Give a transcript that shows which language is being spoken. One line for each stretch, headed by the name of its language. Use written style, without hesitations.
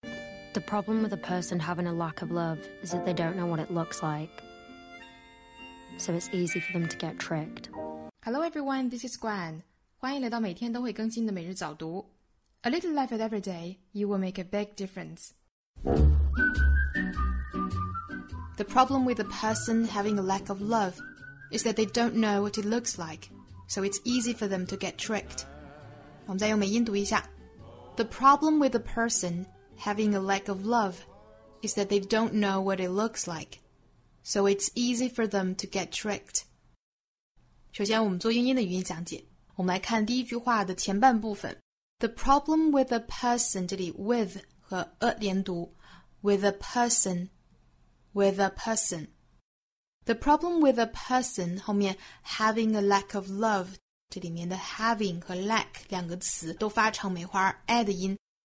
English: The problem with a person having a lack of love is that they don't know what it looks like. So it's easy for them to get tricked. Hello everyone, this is Gwen.
Chinese: 欢迎来到每天都会更新的每日早读。
English: A little love at every day, you will make a big difference. The problem with a person having a lack of love is that they don't know what it looks like, so it's easy for them to get tricked.
Chinese: 我们再用美音读一下。
English: The problem with a person having a lack of love is that they don't know what it looks like, so it's easy for them to get tricked.
Chinese: 首先我们做英音的语音讲解。我们来看第一句话的前半部分。
English: The problem with a person, 这里 with 和 a 连读 with a person, with a person. The problem with a person,
Chinese: 后面
English: having a lack of love,
Chinese: 这里面的 having 和 lack 两个词都发成梅花 a 的音。